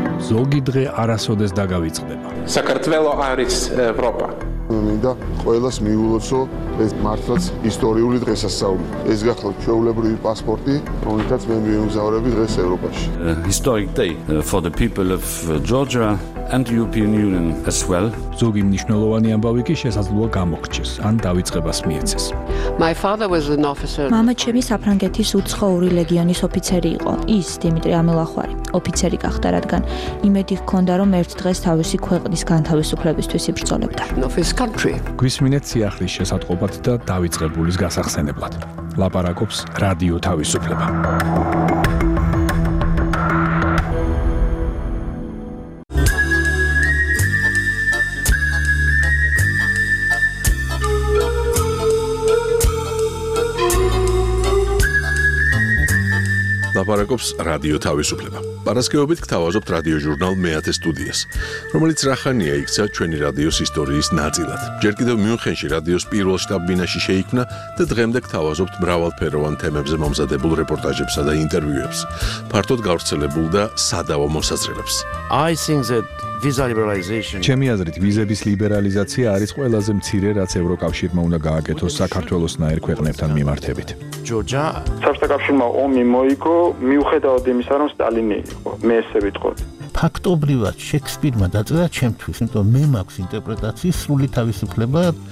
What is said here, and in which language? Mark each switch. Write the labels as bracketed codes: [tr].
[ka] ზოგი დღე არასოდეს დაგავიწყდება. საქართველო არის ევროპა. მინდა ყოველას მიულოცო ეს მართლაც ისტორიული დღესასწაული. ეს გახლავთ ჩვეულებრივი პასპორტი, რომელიც მე მიემგზავრები დღეს ევროპაში. [en] Historic day for the people of Georgia and the European Union as well. [ka] ზოგი მნიშვნელოვანი ამბავი კი შესაძლოა გამოგჩეს ან დავიწყებას მიეცეს. [en] My father was an officer. [ka] მამა ჩემი საფრანგეთის უცხოური ლეგიონის ოფიცერი იყო. ის დიმიტრი ამელახვარი. ოფიცერი გახდა, რადგან იმედი ჰქონდა, რომ ერთ დღეს თავისი ქვეყნის განთავისუფლებისთვის იბრძოლებდა. გვისმინეთ სიახლის შესატყობად და დავიწყებულის გასახსენებლად. ლაპარაკობს რადიო თავისუფლება. ლაპარაკობს რადიო თავისუფლება. პარასკევობით გთავაზობთ რადიო ჟურნალ მეათე სტუდიას, რომელიც რახანია იქცა ჩვენი რადიოს ისტორიის ნაწილად. ჯერ კიდევ მიუნხენში რადიოს პირველ შტაბ-ბინაში შეიქმნა და დღემდე გთავაზობთ მრავალფეროვან თემებზე მომზადებულ რეპორტაჟებსა და ინტერვიუებს, ფართოდ გავრცელებულ და სადავო მოსაზრებებს. [en] I think that visa liberalization. [ka] ჩემი აზრით, ვიზების ლიბერალიზაცია არის ყველაზე მცირე, რაც ევროკავშირმა უნდა გააკეთოს საქართველოს ნაერ ქვეყნებთან მიმართებით. ჯოჯა, საბჭოთა კავშირმა ომი მოიგო, მიუხედავად იმისა, რომ სტალინი იყო. მე ესე ვიტყოდი. ფაქტობრივად შექსპირმა დაწერა ჩემთვის, იმიტომ მე მაქვს ინტერპრეტაციის სრული თავისუფლება.